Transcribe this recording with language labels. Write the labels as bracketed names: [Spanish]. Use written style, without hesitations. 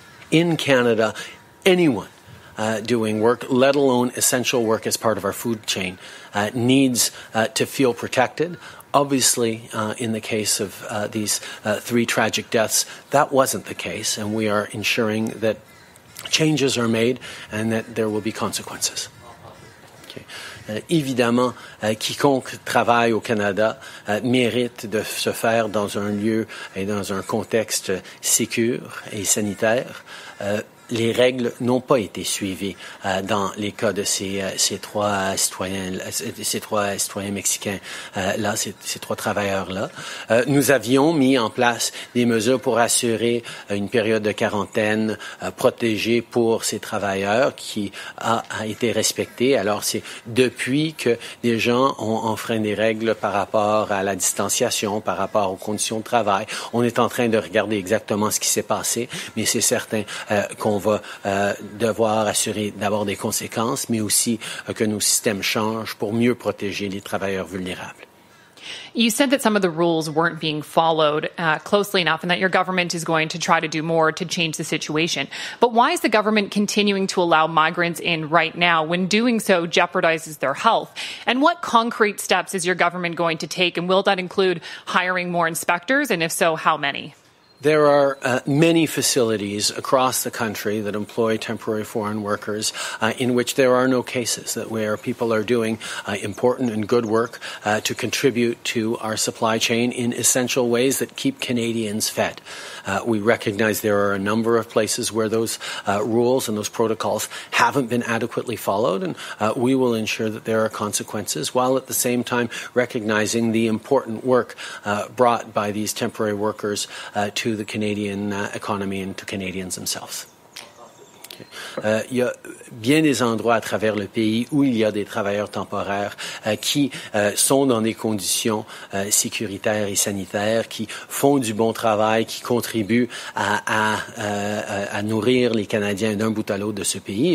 [English] In Canada, anyone doing work, let alone essential work as part of our food chain, needs to feel protected. Obviously, in the case of these three tragic deaths, that wasn't the case, and we are ensuring that changes are made and that there will be consequences. Okay. [French] Évidemment, quiconque travaille au Canada mérite de se faire dans un lieu et dans un contexte sécur et sanitaire. Les règles n'ont pas été suivies dans les cas de ces trois travailleurs-là. Nous avions mis en place des mesures pour assurer une période de quarantaine protégée pour ces travailleurs qui a été respectée. Alors, c'est depuis que des gens ont enfreint des règles par rapport à la distanciation, par rapport aux conditions de travail. On est en train de regarder exactement ce qui s'est passé, mais c'est certain qu'on va devoir assurer d'abord des conséquences, mais aussi que nos systèmes changent pour mieux protéger les travailleurs vulnérables. [English] You said that some of the rules weren't being followed closely enough and that your government is going to try to do more to change the situation. But why is the government continuing to allow migrants in right now when doing so jeopardizes their health? And what concrete steps is your government going to take, and will that include hiring more inspectors, and if so, how many? There are many facilities across the country that employ temporary foreign workers in which there are no cases, that where people are doing important and good work to contribute to our supply chain in essential ways that keep Canadians fed. We recognize there are a number of places where those rules and those protocols haven't been adequately followed, and we will ensure that there are consequences, while at the same time recognizing the important work brought by these temporary workers to the Canadian economy and to Canadians themselves. [French] Il y a bien des endroits à travers le pays où il y a des travailleurs temporaires qui sont dans des conditions sécuritaires et sanitaires, qui font du bon travail, qui contribuent à nourrir les Canadiens d'un bout à l'autre de ce pays.